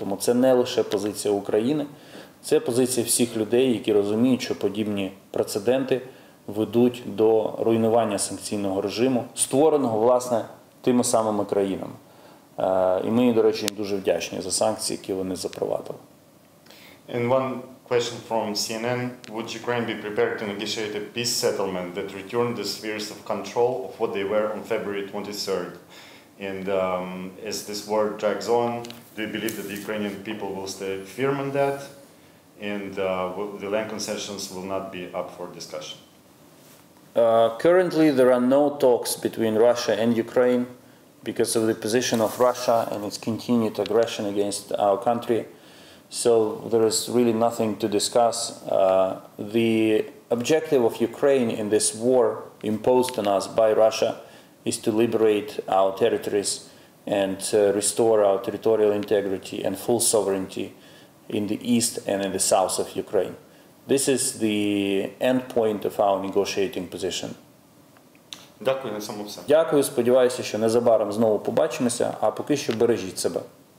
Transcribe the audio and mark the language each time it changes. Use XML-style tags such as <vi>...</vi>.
<uk>Тому це не лише позиція України, це позиція всіх людей, які розуміють, що подібні прецеденти ведуть до руйнування санкційного режиму, створеного, власне, тими самими країнами. І ми, до речі, їм дуже вдячні за санкції, які вони запровадили.</uk> <en>And one question from CNN. Would Ukraine be prepared to negotiate a peace settlement that returned the spheres of control of what they were on February 23rd? And as this war drags on, do you believe that the Ukrainian people will stay firm on that? And the land concessions will not be up for discussion? Currently, there are no talks between Russia and Ukraine because of the position of Russia and its continued aggression against our country. So there is really nothing to discuss. The objective of Ukraine in this war imposed on us by Russia is to liberate our territories and to restore our territorial integrity and full sovereignty in the east and in the south of Ukraine. This is the end point of our negotiating position.</en> <uk>Дякую, на цьому все. Дякую, сподіваюся, що незабаром знову побачимося, а поки що бережіть себе.</uk>